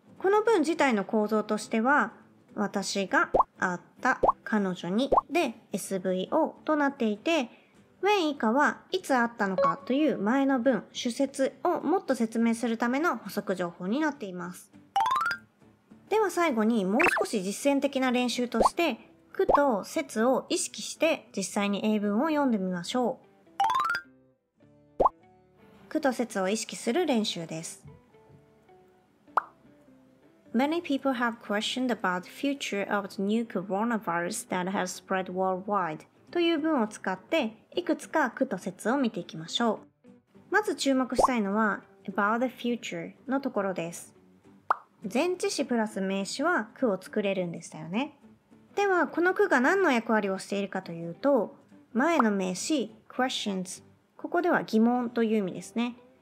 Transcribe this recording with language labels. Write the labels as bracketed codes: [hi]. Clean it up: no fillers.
[ja] この文自体の構造としては、私が会った彼女にで SVO となっていて、 when 以下はいつ会ったのかという前の文主節をもっと説明するための補足情報になっています。では最後にもう少し実践的な練習として、句と節を意識して実際に英文を読んでみましょう。句と節を意識する練習です。 [en] Many people have questioned about the future of the new coronavirus that has spread worldwide [ja] という文を使って、いくつか句と節を見ていきましょう。まず注目したいのは [en] about the future [ja] のところです。前置詞プラス名詞は句を作れるんでしたよね。ではこの句が何の役割をしているかというと、前の名詞 questions、 ここでは疑問という意味ですね。